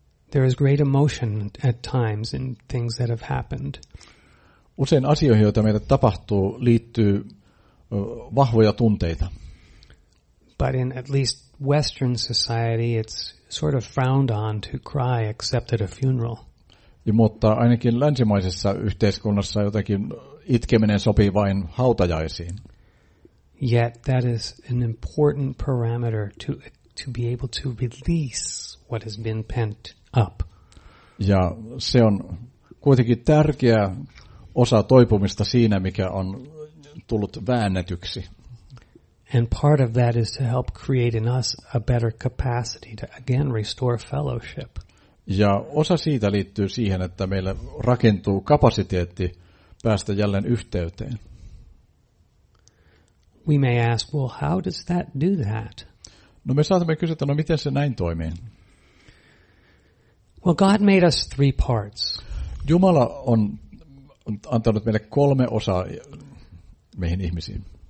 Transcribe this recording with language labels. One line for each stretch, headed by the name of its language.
English: There is great emotion at times in things that have happened.
Finnish: Usein asioihin, joita meille tapahtuu, liittyy vahvoja tunteita.
English: But in at least Western society, it's sort of frowned on to cry except at a funeral.
Finnish: Ja, mutta ainakin länsimaisessa yhteiskunnassa jotenkin itkeminen sopii vain hautajaisiin.
English: Yet that is an important parameter to be able to release what has been pent up.
Finnish: Ja se on kuitenkin tärkeä osa toipumista siinä, mikä on tullut väännetyksi.
English: And part of that is to help create in us a better capacity to again restore fellowship.
Finnish: Ja osa siitä liittyy siihen, että meille rakentuu kapasiteetti päästä jälleen yhteyteen.
English: We may ask, well, how does that do that?
Finnish: No, me saatamme kysyä, että no, miten se näin toimii?
English: Well, God made us three parts.
Finnish: Jumala on antanut meille kolme osaa meihin ihmisiin.